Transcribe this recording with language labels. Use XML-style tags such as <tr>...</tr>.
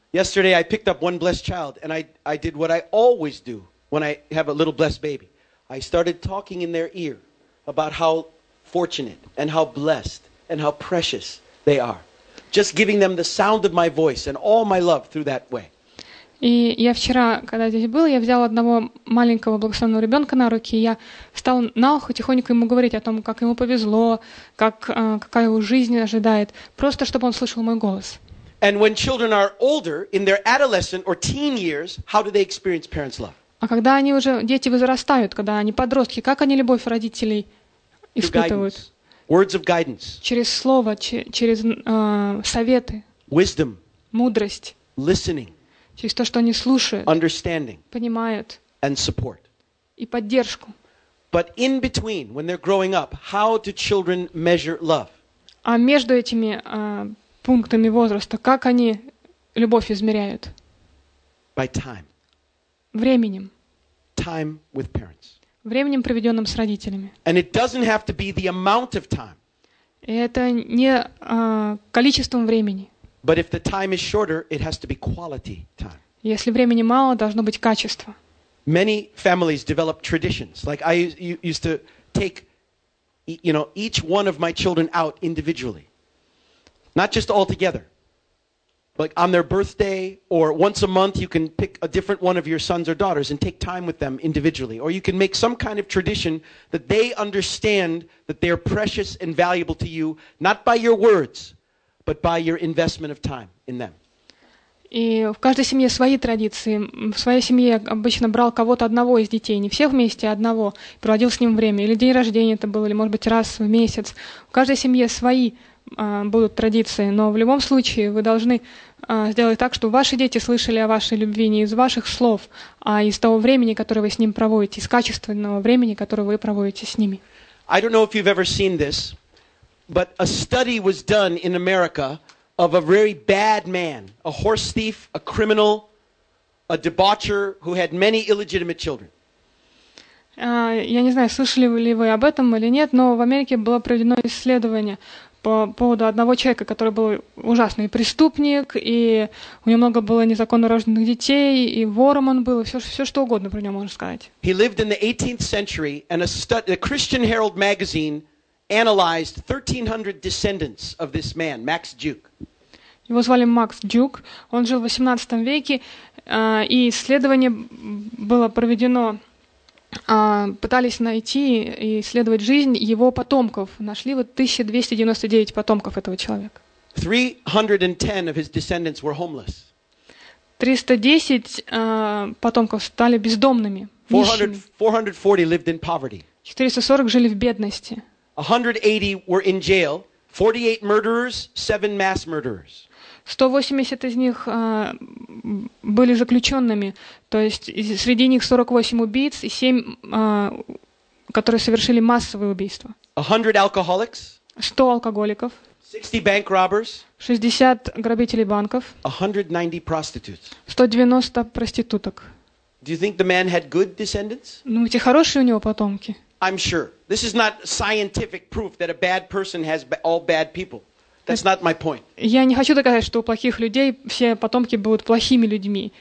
<en>Yesterday I picked up one blessed child and I did what I always do when I have a little blessed baby. I started talking in their ear about how fortunate and how blessed and how precious they are. Just giving them the sound of my voice and all my love through that way.</en> <ru>И я вчера, когда здесь был, я взял одного маленького благословенного ребенка на руки, и я стал на ухо тихонько ему говорить о том, как ему повезло, какая его жизнь ожидает, просто чтобы он слышал мой голос.</ru> <en>And when children are older, in their adolescent or teen years, how do they experience parents' love?</en> <ru>А когда они уже, дети возрастают, когда они подростки, как они любовь родителей испытывают?</ru> <en>Words of guidance.</en> <ru>Через слово, через советы.</ru> <en>Wisdom.</en> <ru>Мудрость.</ru> <en>Listening.</en> <ru>Через то, что они слушают.</ru> <en>Understanding.</en> <ru>Понимают.</ru> <en>And support.</en> <ru>И поддержку.</ru> <en>But in between, when they're growing up, how do children measure love?</en> <ru>А между этими пунктами возраста, как они любовь измеряют?</ru> <en>By time.</en> <ru>Временем.</ru> <en>Time with parents.</en> <ru>Временем, проведенным с родителями.</ru> <en>And it doesn't have to be the amount of time.</en> <ru>И это не количеством времени.</ru> <en>But if the time is shorter, it has to be quality time.</en> <ru>Если времени мало, должно быть качество.</ru> <en>Many families develop traditions. Like I used to take, you know, each one of my children out individually. Not just all together. Like on their birthday or once a month, you can pick a different one of your sons or daughters and take time with them individually. Or you can make some kind of tradition that they understand that they are precious and valuable to you, not by your words, but by your investment of time in them.</en> <ru>И в каждой семье свои традиции. В своей семье я обычно брал кого-то одного из детей, не всех вместе, а одного, проводил с ним время. Или день рождения это был, или, может быть, раз в месяц. В каждой семье свои будут традиции, но в любом случае вы должны сделать так, чтобы ваши дети слышали о вашей любви не из ваших слов, а из того времени, которое вы с ним проводите, из качественного времени, которое вы проводите с ними.</ru> <en>I don't know if you've ever seen this, but a study was done in America of a very bad man, a horse thief, a criminal, a debaucher who had many illegitimate children.</en> <ru>Я не знаю, слышали ли вы об этом или нет, но в Америке было проведено исследование по поводу одного человека, который был ужасный преступник, и у него много было незаконно рожденных детей, и вором он был, и все что угодно про него можно сказать.</ru> <en>He lived in the 18th century, and a Christian Herald magazine analyzed 1,300 descendants of this man, Max Duke.</en> <ru>Его звали Макс Дюк, он жил в 18 веке, и исследование было проведено, пытались найти и исследовать жизнь его потомков. Нашли вот 1299 потомков этого человека.</ru> <en>310 of his descendants were homeless.</en> <ru>310 потомков стали бездомными.</ru> <en>440 lived in poverty.</en> <ru>440 жили в бедности.</ru> <en>180 were in jail. 48 murderers, 7 mass murderers.</en> <ru>180 из них были заключенными, то есть среди них 48 убийц и 7, которые совершили массовые убийства.</ru> <en>100 alcoholics.</en> <ru>100 алкоголиков.</ru> <en>60 bank robbers.</en> <ru>60 грабителей банков.</ru> <en>190 prostitutes.</en> <ru>190 проституток.</ru> <en>Do you think the man had good descendants?</en> <ru>Ну, эти хорошие у него потомки.</ru> <en>I'm sure. This is not scientific proof that a bad person has all bad people. That's not my point.</en> <ru>Я не хочу доказать, что у плохих людей все потомки будут плохими людьми.</ru>